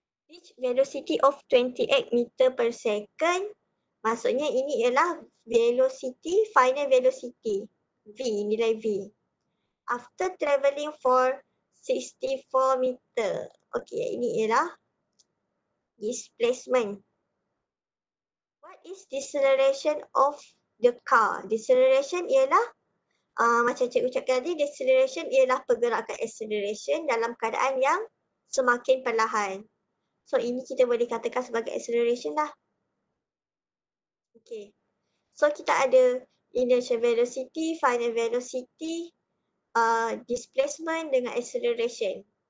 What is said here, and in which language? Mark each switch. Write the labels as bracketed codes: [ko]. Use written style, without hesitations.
[en] Reach velocity of 28 meter per second, [ms] maksudnya ini ialah [en] velocity, final velocity, v, [ms] nilai [en] v. After travelling for 64 meter. [ms] Okey, ini ialah displacement. [en] Is deceleration of the car. [ms] Deceleration ialah macam cikgu cakap tadi, deceleration ialah pergerakan acceleration dalam keadaan yang semakin perlahan. So ini kita boleh katakan sebagai acceleration lah. Okay. So kita ada initial velocity, final velocity, displacement dengan acceleration.